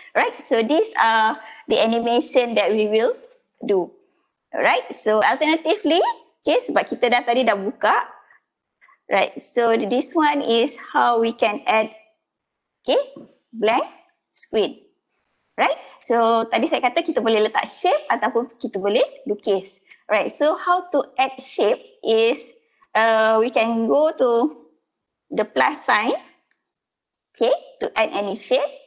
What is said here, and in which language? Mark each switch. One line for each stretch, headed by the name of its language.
English: Right, so these are the animation that we will do. Alright, so alternatively, okay,
Malay: sebab kita dah tadi dah buka.
English: Right, so this one is how we can add, okay, blank screen. Right, so
Malay: tadi saya kata kita boleh letak shape ataupun kita boleh lukis.
English: Right, so how to add shape is we can go to the plus sign, okay, to add any shape.